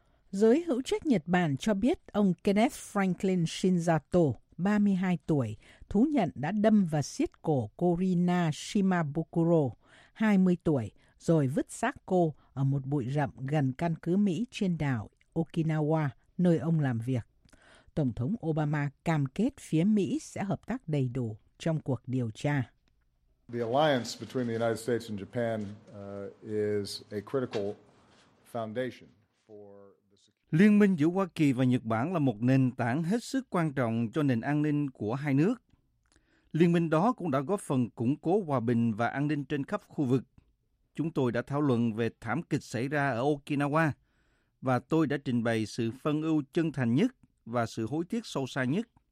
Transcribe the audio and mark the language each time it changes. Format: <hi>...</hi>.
<vi>Giới hữu trách Nhật Bản cho biết ông Kenneth Franklin Shinzato, 32 tuổi, thú nhận đã đâm và xiết cổ Corina Shimabukuro, 20 tuổi, rồi vứt xác cô ở một bụi rậm gần căn cứ Mỹ trên đảo Okinawa nơi ông làm việc. Tổng thống Obama cam kết phía Mỹ sẽ hợp tác đầy đủ trong cuộc điều tra.</vi> <en>The alliance between the United States and Japan is a critical foundation for the security.</en> <vi>Liên minh giữa Hoa Kỳ và Nhật Bản là một nền tảng hết sức quan trọng cho nền an ninh của hai nước. Liên minh đó cũng đã góp phần củng cố hòa bình và an ninh trên khắp khu vực. Chúng tôi đã thảo luận về thảm kịch xảy ra ở Okinawa và tôi đã trình bày sự phân ưu chân thành nhất và sự hối tiếc sâu xa nhất.</vi>